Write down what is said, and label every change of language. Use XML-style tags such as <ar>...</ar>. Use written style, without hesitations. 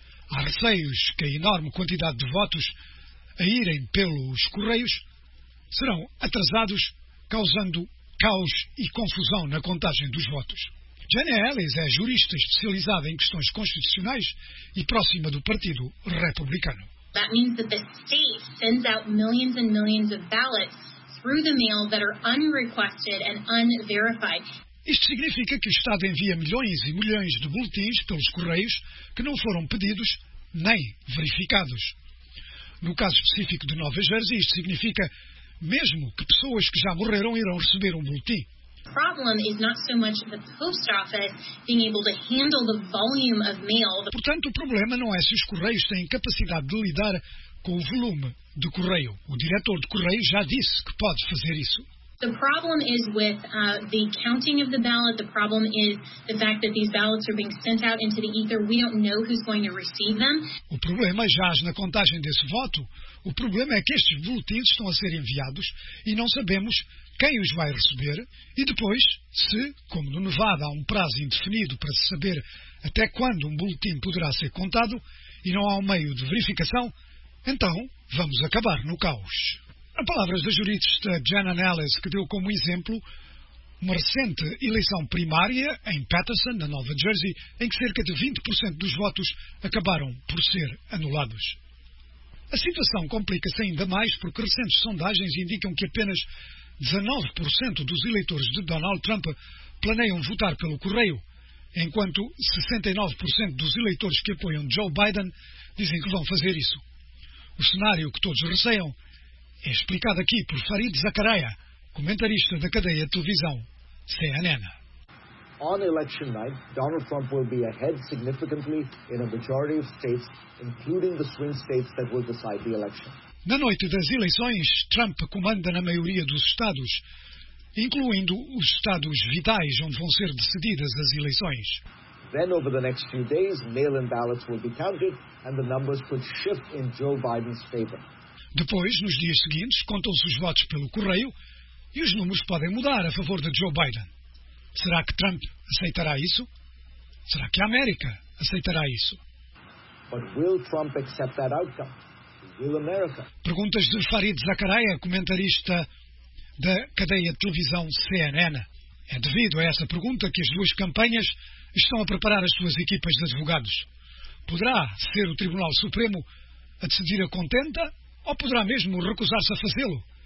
<pt>Há receios que a enorme quantidade de votos a irem pelos correios serão atrasados, causando caos e confusão na contagem dos votos. Janet Ellis é jurista especializada em questões constitucionais e próxima do Partido Republicano.</pt> <en>That means that the state sends out millions and millions of ballots through the mail that are unrequested and unverified.</en> <pt>Isto significa que o Estado envia milhões e milhões de boletins pelos correios que não foram pedidos nem verificados. No caso específico de Nova Jersey, isto significa mesmo que pessoas que já morreram irão receber um boletim.</pt> <en>The problem is not so much the post office being able to handle the volume of mail.</en> <pt>Portanto, o problema não é se os correios têm capacidade de lidar com o volume do correio. O diretor de correios já disse que pode fazer isso.</pt> <en>The problem is with the counting of the ballot. The problem is the fact that these ballots are being sent out into the ether. We don't know who's going to receive them.</en> <pt>O problema já é na contagem desse voto. O problema é que estes boletins estão a ser enviados e não sabemos quem os vai receber e depois se, como no Nevada, há um prazo indefinido para se saber até quando um boletim poderá ser contado e não há um meio de verificação, então vamos acabar no caos. A palavras da jurista Janet Ellis, que deu como exemplo uma recente eleição primária em Paterson, na Nova Jersey, em que cerca de 20% dos votos acabaram por ser anulados. A situação complica-se ainda mais porque recentes sondagens indicam que apenas 19% dos eleitores de Donald Trump planeiam votar pelo correio, enquanto 69% dos eleitores que apoiam Joe Biden dizem que vão fazer isso. O cenário que todos receiam é explicado aqui por Farid Zakaria, comentarista da cadeia de televisão CNN.</pt> <en>On election night, Donald Trump will be ahead significantly in a majority of states, including the swing states that will decide the election.</en> <pt>Na noite das eleições, Trump comanda na maioria dos estados, incluindo os estados vitais onde vão ser decididas as eleições.</pt> <en>Then over the next few days, mail-in ballots will be counted and the numbers could shift in Joe Biden's favor.</en> <pt>Depois, nos dias seguintes, contam-se os votos pelo correio e os números podem mudar a favor de Joe Biden. Será que Trump aceitará isso? Será que a América aceitará isso?</pt> <en>But will Trump accept that outcome? Will America?</en> <pt>Perguntas de Farid Zakaria, comentarista da cadeia de televisão CNN. É devido a essa pergunta que as duas campanhas estão a preparar as suas equipas de advogados. Poderá ser o Tribunal Supremo a decidir a contenda ou poderá mesmo recusar-se a fazê-lo?</pt>